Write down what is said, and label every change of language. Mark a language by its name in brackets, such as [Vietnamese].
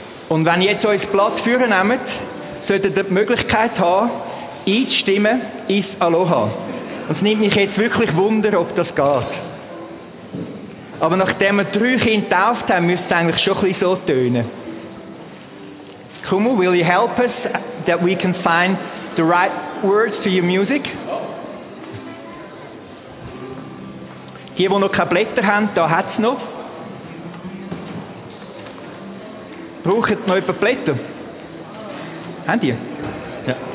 [German] Und wenn ihr jetzt euer Blatt führen nehmt, solltet ihr die Möglichkeit haben, einzustimmen ins Aloha. Und es nimmt mich jetzt wirklich Wunder, ob das geht. Aber nachdem wir drei Kinder getauft haben, müsste es eigentlich schon ein bisschen so tönen. [English] Kumu, will you help us that we can find the right words to your music? [German] Hier, wo noch keine Blätter haben, da hat es noch. Braucht noch ein paar Blätter? Habt ihr? Ja.